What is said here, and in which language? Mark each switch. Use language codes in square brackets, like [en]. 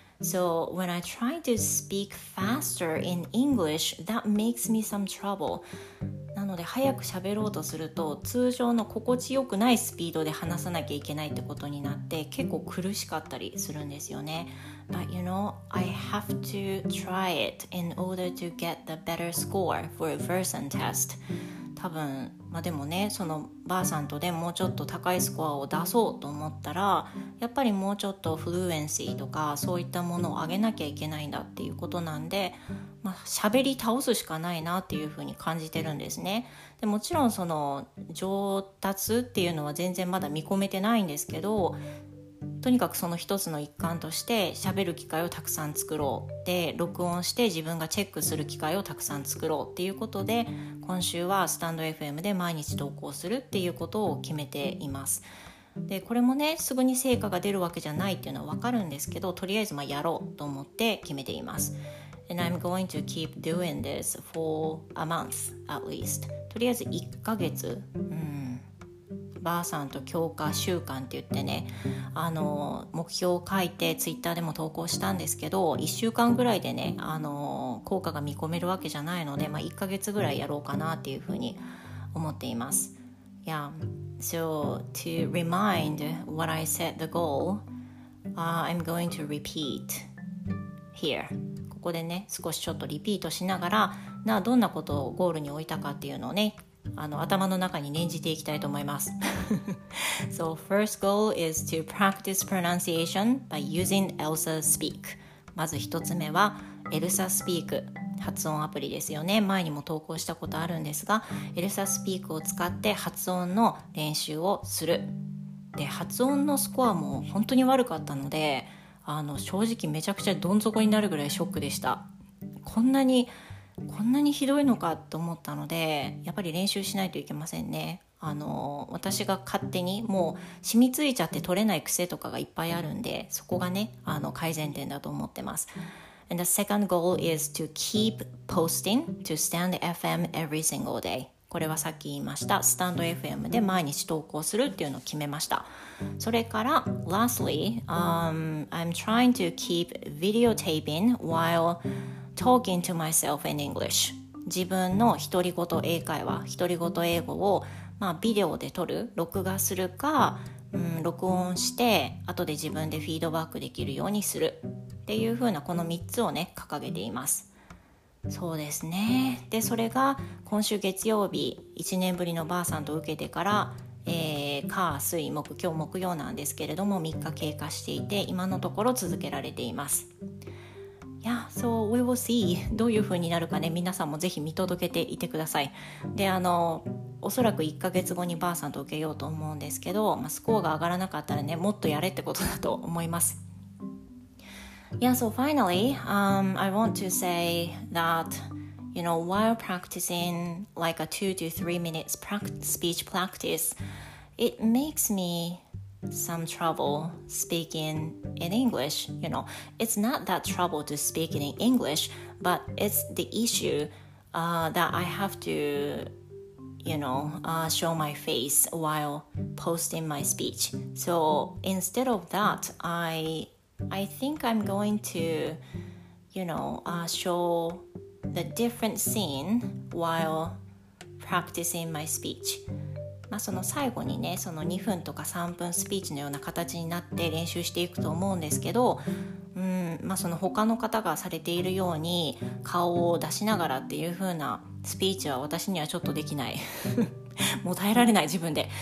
[en] So when I try to speak faster in English, that makes me some trouble. [ja] なので、早く喋ろうとすると通常の心地よくないスピードで話さなきゃいけないってことになって、結構苦しかったりするんですよね。 [en] But you know, I have to try it in order to get the better score for a version test. [ja] 多分、でもね、そのばあさんとでもうちょっと高いスコアを出そうと思ったら、やっぱりもうちょっとフルエンシーとかそういったものを上げなきゃいけないんだっていうことなんで、喋り倒すしかないなっていうふうに感じてるんですね。で、もちろんその上達っていうのは全然まだ見込めてないんですけど、とにかくその一つの一環として喋る機会をたくさん作ろう、で、録音して自分がチェックする機会をたくさん作ろうっていうことで、今週はスタンド FM で毎日投稿するっていうことを決めています。で、これもね、すぐに成果が出るわけじゃないっていうのは分かるんですけど、とりあえずやろうと思って決めています。 [en] And I'm going to keep doing this for a month at least. [ja] とりあえず1ヶ月、ばあさんと強化習慣って言ってね、あの目標を書いてツイッターでも投稿したんですけど、1週間ぐらいでね、あの効果が見込めるわけじゃないので、1ヶ月ぐらいやろうかなっていうふうに思っています。 [en] Yeah, so to remind what I set the goal, I'm going to repeat here. [ja] ここでね、少しちょっとリピートしながら、どんなことをゴールに置いたかっていうのをね、あの頭の中に念じていきたいと思います。 [en] So first goal is to practice pronunciation by using Elsa Speak. [ja] まず一つ目は Elsa Speak 発音アプリですよね。前にも投稿したことあるんですが、 Elsa Speak を使って発音の練習をする。で、発音のスコアも本当に悪かったので、正直めちゃくちゃどん底になるぐらいショックでした。こんなにひどいのかと思ったので、やっぱり練習しないといけませんね。私が勝手にもう染みついちゃって取れない癖とかがいっぱいあるんで、そこがね、改善点だと思ってます。 [en] And the second goal is to keep posting to Stand FM every single day. [ja] これはさっき言いました、スタンド FM で毎日投稿するっていうのを決めました。それから [en] Lastly, I'm trying to keep videotaping while talking to myself in English. [ja] 自分の独り言英会話、独り言英語をまあ、ビデオで撮る、録画するか、録音して後で自分でフィードバックできるようにするっていう風な、この3つをね掲げています。そうですね。で、それが今週月曜日1年ぶりのバーさんと受けてから、火水木今日木曜なんですけれども、3日経過していて今のところ続けられています。 [en] Yeah, so we will see. [ja] どういう風になるかね、皆さんもぜひ見届けていてください。で、おそらく1ヶ月後にバーさんと受けようと思うんですけど、まあ、スコアが上がらなかったらね、もっとやれってことだと思います。 [en] Yeah, so finally, I want to say that, you know, while practicing like a 2 to 3 minutes speech practice, it makes meSome trouble speaking in English. You know, it's not that trouble to speak in English, but it's the issue that I have to, you know, show my face while posting my speech. So instead of that, I think I'm going to, you know, show the different scene while practicing my speech. [ja] まあ、その最後にね、その2分とか3分スピーチのような形になって練習していくと思うんですけど、まあ、その他の方がされているように顔を出しながらっていう風なスピーチは私にはちょっとできないもう耐えられない自分で。